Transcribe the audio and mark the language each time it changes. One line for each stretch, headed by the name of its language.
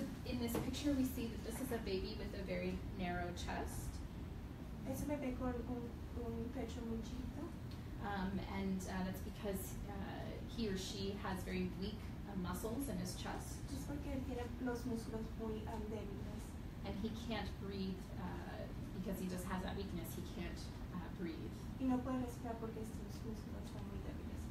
English: So in this picture, we see that this is a baby with a very narrow chest.
Spanish: Es un bebé con un pecho muy chiquito.
English: And that's because he or she has very weak muscles in his chest.
Spanish: Es porque tiene los músculos muy débiles.
English: And he can't breathe because he just has that weakness. He can't breathe.
Spanish: Y no puede respirar porque sus músculos son muy débiles.